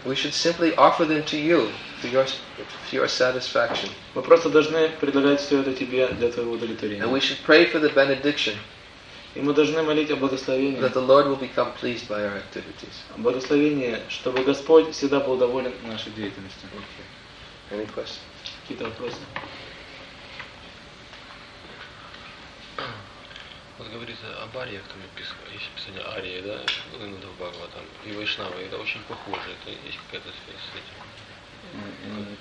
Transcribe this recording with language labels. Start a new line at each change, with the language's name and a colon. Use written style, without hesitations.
English: we should simply offer them to you for your satisfaction.
Russian: Мы просто должны предлагать все это тебе для твоего удовлетворения.
English: And we should pray for the benediction.
Russian: И мы должны молить о благословении.
English: That the Lord will become pleased by our activities.
Russian: Благословение, чтобы Господь всегда был доволен нашей деятельностью.
English: Okay. Any questions?
Russian: Какие-то вопросы? Вот говорится об ариях, там есть писание арии, да, Инуда в Бхагаватам, и вайшнавы, это очень похоже, это есть какая-то связь с этим.